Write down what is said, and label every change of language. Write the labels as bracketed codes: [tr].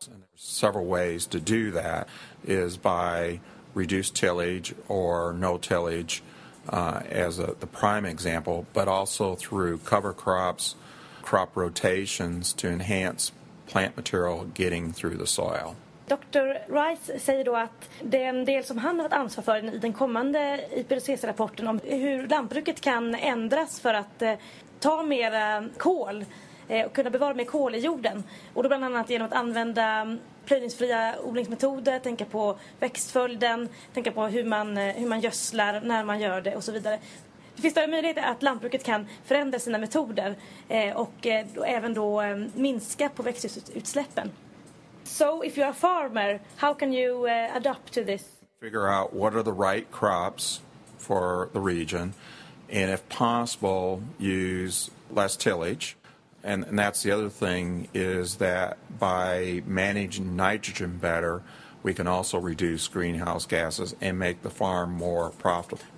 [en] And there's several ways to do that is by reduced tillage or no tillage. As the prime example, but also through cover crops, crop rotations to enhance plant material getting through the soil. Dr. [sv] Rice säger då att den del som han har ansvar för i den kommande IPCC-rapporten om hur lantbruket kan ändras för att ta mer kol och kunna bevara mer kol i jorden. Och då bland annat genom att använda plöjningsfria odlingsmetoder, tänka på växtföljden, tänka på hur man gödslar, när man gör det och så vidare. Det finns större möjlighet att lantbruket kan förändra sina metoder och även då minska på växthusutsläppen. [en] So if you are a farmer, how can you adapt to this? Figure out what are the right crops for the region, and if possible, use less tillage. And that's the other thing, is that by managing nitrogen better, we can also reduce greenhouse gases and make the farm more profitable.